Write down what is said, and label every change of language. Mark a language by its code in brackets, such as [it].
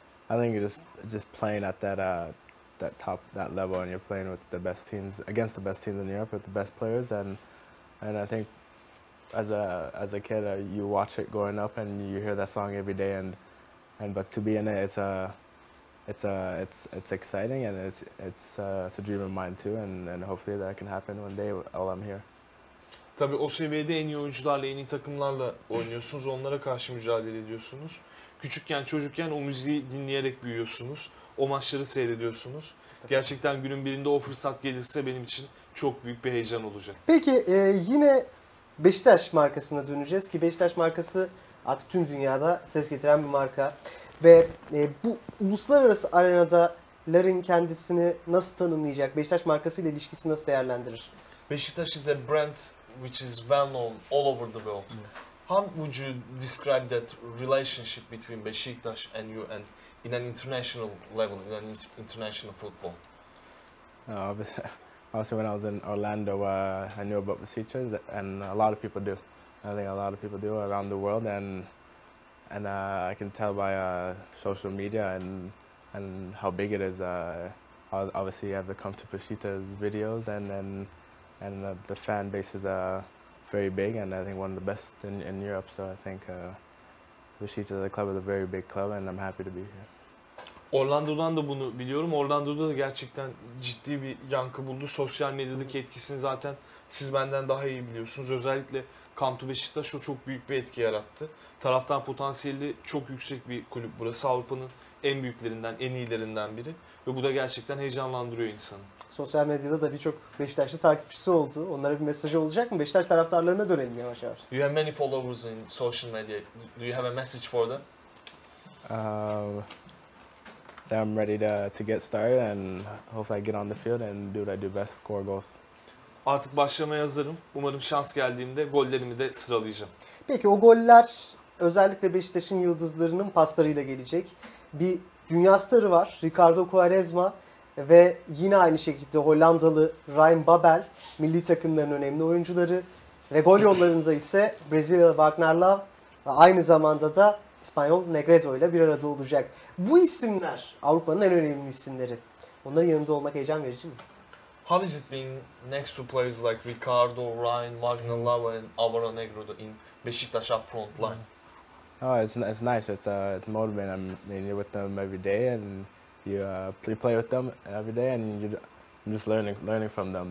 [en] I think you're just playing at that level, and you're playing with the best teams, against the best teams in Europe, with the best players, and I think as a kid, you watch it growing up, and you hear that song every day, but to be in it, it's exciting, and it's a dream of mine too, and hopefully that can happen one day while I'm here. [tr] Tabii o seviyede en iyi oyuncularla, en iyi takımlarla oynuyorsunuz, onlara karşı mücadele ediyorsunuz. Küçükken, çocukken o müziği dinleyerek büyüyorsunuz, o maçları seyrediyorsunuz. Tabii. Gerçekten günün birinde o fırsat gelirse benim için çok büyük bir heyecan olacak. Peki yine Beşiktaş markasına döneceğiz ki Beşiktaş markası artık tüm dünyada ses getiren bir marka. Ve bu uluslararası arenada Larin kendisini nasıl tanımlayacak? Beşiktaş markası ile ilişkisi nasıl değerlendirir? [en] Beşiktaş is a brand which is well known all over the world. Hmm. How would you describe that relationship between Beşiktaş and you and in an international level, in an international football? Obviously, when I was in Orlando, I knew about Beşiktaş, and a lot of people do. I think a lot of people do around the world, and I can tell by social media and how big it is. Obviously, I've come to Beşiktaş videos, and the fan base is very big, and I think one of the best in Europe. So I think Beşiktaş, the club, is a very big club, and I'm happy to be here. [tr] Orlando'dan da bunu biliyorum. Orlando'da da gerçekten ciddi bir yankı buldu. Sosyal medyadaki etkisini zaten siz benden daha iyi biliyorsunuz. Özellikle Come to Beşiktaş o çok büyük bir etki yarattı. Taraftan potansiyeli çok yüksek bir kulüp burası. Avrupa'nın en büyüklerinden, en iyilerinden biri. Ve bu da gerçekten heyecanlandırıyor insanı. Sosyal medyada da birçok Beşiktaşlı takipçisi oldu. Onlara bir mesajı olacak mı? Beşiktaş taraftarlarına dönelim yavaş yavaş. [en] You have many followers in social media. Do you have a message for them? I'm ready to get started and hopefully I get on the field and do what I do best, score goals. [tr] Artık başlamaya hazırım. Umarım şans geldiğimde gollerimi de sıralayacağım. Peki o goller özellikle Beşiktaş'ın yıldızlarının paslarıyla gelecek. Bir dünya starı var, Ricardo Quaresma ve yine aynı şekilde Hollandalı Ryan Babel, milli takımların önemli oyuncuları ve gol yollarında ise Brezilyalı Wagner Love ve aynı zamanda da İspanyol Negredo ile bir arada olacak. Bu isimler Avrupa'nın en önemli isimleri. Onların yanında olmak heyecan verici mi? [en] How is it being next to players like Ricardo, Ryan, Magna Lava and Álvaro Negredo in Beşiktaş up front line? Oh, it's nice. It's motivating. I mean, you're with them every day and you play with them every day and you're just learning from them.